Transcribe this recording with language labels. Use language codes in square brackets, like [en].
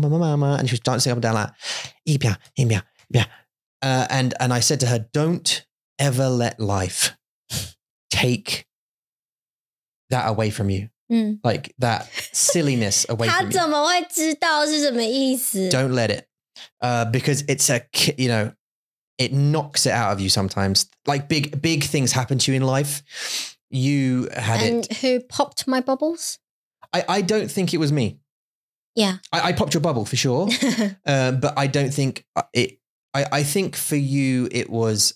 [en] And she was dancing up and down like, [zh] 一票,一票,一票. [en] And I said to her, don't ever let life take that away from you. Like that silliness away from you. [zh] 他怎么会知道是什么意思? [en] Don't let it. Because it's a, you know, it knocks it out of you sometimes. Like big things happen to you in life. You had and it. And who popped my bubbles? I don't think it was me. Yeah. I popped your bubble for sure. but I don't think it, I think for you, it was.